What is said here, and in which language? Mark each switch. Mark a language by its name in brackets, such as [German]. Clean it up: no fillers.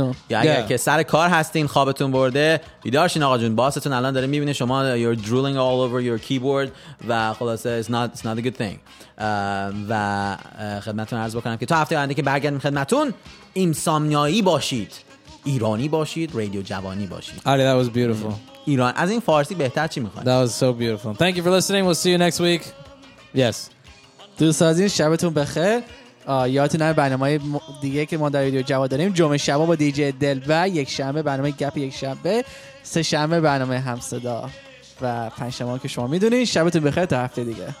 [Persian] یا اگه که سر کار هستین خوابتون برده بیدار شین آقا جون باستون الان داره میبینه شما [English] you're drooling all over your keyboard [Persian] و خلاصه [English] it's not a good thing [Persian] و خدمتتون عرض بکنم که تا هفته آینده که برگردیم خدمتتون امسامنیایی باشید ایرانی باشید رادیو جوانی باشید [English] آره that was beautiful [Persian] ایران از این فارسی بهتر چی میخواد [English] that was so beautiful thank you for listening we'll see you next week yes [Persian] دوست عزیز شبتون بخیر یادتون نره برنامه‌های دیگه که ما در رادیو جوان داریم جمعه شب با دیجی دل و یک شنبه برنامه گپ یک شنبه سه شنبه برنامه هم صدا و پنج شنبه که شما میدونین شبتون بخیر تا هفته دیگه